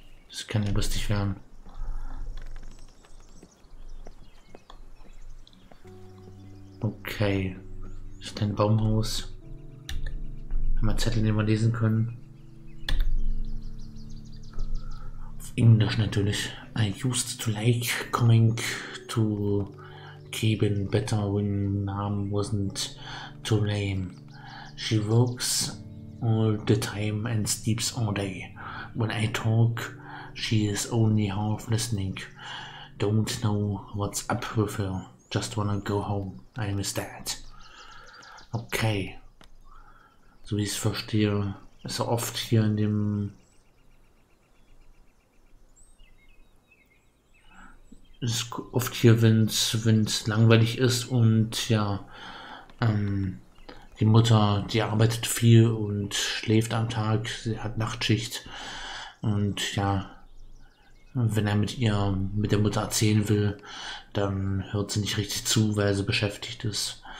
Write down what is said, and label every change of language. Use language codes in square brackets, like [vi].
[de] Das kann ja lustig werden. Okay. Das ist ein Baumhaus. Haben wir Zettel, den wir lesen können? Auf Englisch natürlich. [en] I used to like coming to Kevin better when mom wasn't to blame. She works all the time and sleeps all day. When I talk, she is only half listening. Don't know what's up with her. Just wanna go home. I miss dad. Okay. [de] So wie ich es verstehe, ist er oft hier in dem... Ist oft hier, wenn's langweilig ist, und ja, die Mutter, die arbeitet viel und schläft am Tag, sie hat Nachtschicht, und ja, wenn er mit der Mutter erzählen will, dann hört sie nicht richtig zu, weil sie beschäftigt ist.